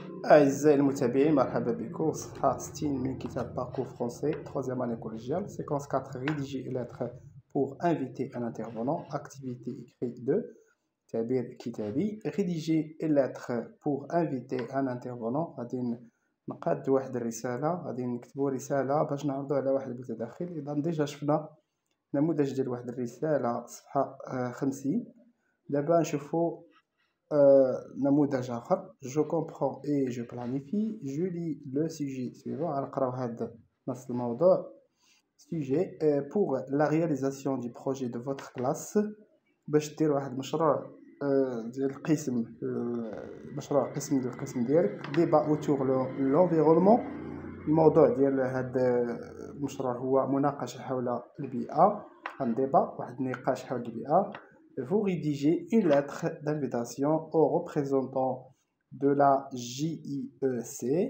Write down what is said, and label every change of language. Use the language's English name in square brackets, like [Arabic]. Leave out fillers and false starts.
[Arabic] أعزائي المتابعين، مرحبا بكم. صفحة 60 من كتاب باركور فرونسي [French] 3 année collégiale séquence 4 rédiger et lettres pour inviter un intervenant [Arabic] activité écrite 2 تعبير كتابي [French] rédiger et lettres pour inviter un intervenant [Arabic] غادي نقاد واحد الرسالة، غادي نكتبوا رسالة باش نعرضوها على واحد المتداخل. إذا ديجا شفنا نموذج ديال واحد الرسالة صفحة 50، دابا نشوفوا نموذج آخر. [French] Je comprends et je planifie. Je lis le sujet suivant. [Arabic] على قراءة هذا نص الموضوع. [French] Sujet pour la réalisation du projet de votre classe. [Arabic] باش دير واحد مشروع ديال القسم، مشروع قسم ديال القسم ديالك. [French] Débat autour l'environnement. [Arabic] الموضوع ديال هذا المشروع هو مناقشة حول البيئة. [French] Un débat، [Arabic] واحد نقاش حول البيئة. [French] Vous rédigez une lettre d'invitation au représentant de la JIEC.